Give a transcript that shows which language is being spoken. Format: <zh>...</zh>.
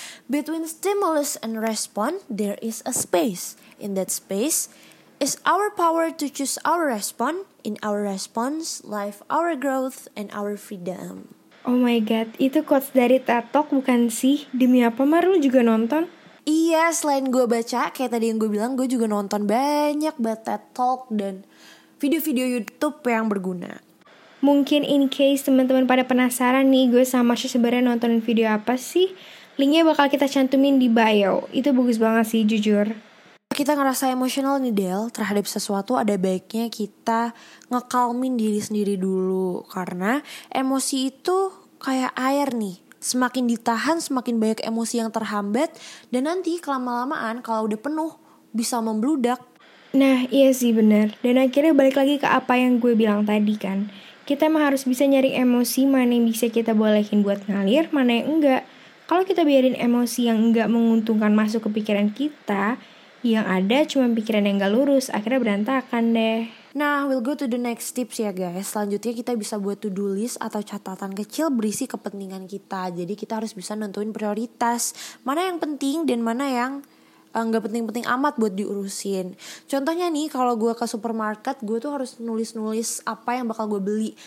<en>Between stimulus and response, there is a space. In that space is our power to choose our response. In our response, life, our growth, and our freedom.</en> <id>Oh my god, itu quotes dari TED Talk bukan sih? Demi apa, Mar, lu juga nonton? Iya, selain gue baca, kayak tadi yang gue bilang, gue juga nonton banyak banget TED Talk dan video-video YouTube yang berguna. Mungkin</id> <en>in case</en> <id>teman-teman pada penasaran nih, gue sama Marsha sebenarnya nonton video apa sih? Linknya bakal kita cantumin di bio. Itu bagus banget sih, jujur. Kita ngerasa emosional nih, Del, terhadap sesuatu, ada baiknya kita ngekalmin diri sendiri dulu. Karena emosi itu kayak air nih. Semakin ditahan, semakin banyak emosi yang terhambat. Dan nanti, kelamaan-lamaan, kalau udah penuh, bisa membludak. Nah, iya sih, benar. Dan akhirnya balik lagi ke apa yang gue bilang tadi, kan. Kita emang harus bisa nyari emosi mana yang bisa kita bolehin buat ngalir, mana yang enggak. Kalau kita biarin emosi yang enggak menguntungkan masuk ke pikiran kita, yang ada cuma pikiran yang gak lurus, akhirnya berantakan deh. Nah,</id> <en>we'll go to the next tips</en> <id>ya</id> <en>guys.</en> <id>Selanjutnya kita bisa buat to-do list atau catatan kecil berisi kepentingan kita. Jadi kita harus bisa nentuin prioritas, mana yang penting dan mana yang gak penting-penting amat buat diurusin. Contohnya nih, kalau gue ke supermarket, gue tuh harus nulis-nulis apa yang bakal gue beli.</id>